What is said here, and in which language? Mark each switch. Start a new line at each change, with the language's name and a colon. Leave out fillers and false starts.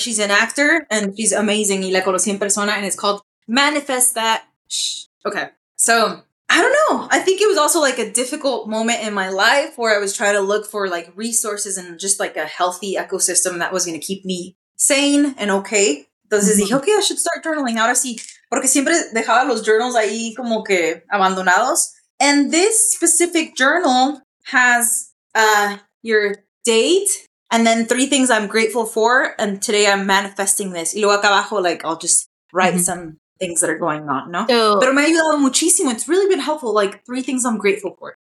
English: She's an actor and she's amazing.
Spanish: Y la conocí en persona,
English: and it's called Manifest That. Okay. So I don't know. I think it was also like a difficult moment in my life where I was trying to look for like resources and just like a healthy ecosystem that was going to keep me sane and okay.
Spanish: Entonces dije,
English: okay, I should start journaling.
Spanish: Ahora sí. Porque siempre dejaba los journals ahí como que abandonados.
English: And this specific journal has your date and then 3 things I'm grateful for. And today I'm manifesting this.
Spanish: Y luego acá abajo,
English: like, I'll just write some things that are going on, no? So,
Spanish: pero me ha ayudado muchísimo.
English: It's really been helpful. Like 3 things I'm grateful for.